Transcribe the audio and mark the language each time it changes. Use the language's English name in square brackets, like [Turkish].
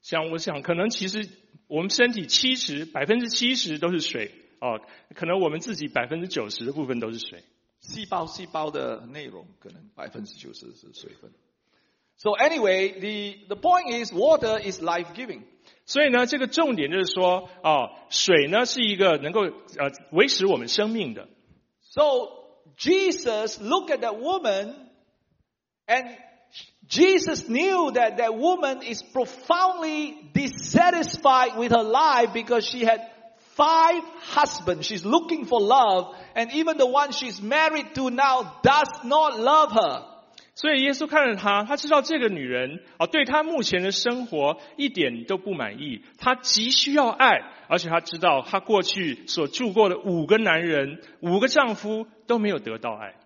[Chinese] 我想可能其实我们身体70%都是水。哦，可能我们自己90%的部分都是水，细胞的内容可能90%是水分。 [English] So anyway, the point is water is life giving. [Chinese] 所以呢，这个重点就是说，水呢是一个能够维持我们生命的。 [English] So Jesus looked at that woman, and Jesus knew that that woman is profoundly dissatisfied with her life because she had five husbands. She's looking for love, and even the one she's married to now does not love her. [Chinese] 所以耶稣看着她，他知道这个女人啊，对她目前的生活一点都不满意。她急需要爱，而且她知道她过去所住过的五个男人、五个丈夫都没有得到爱。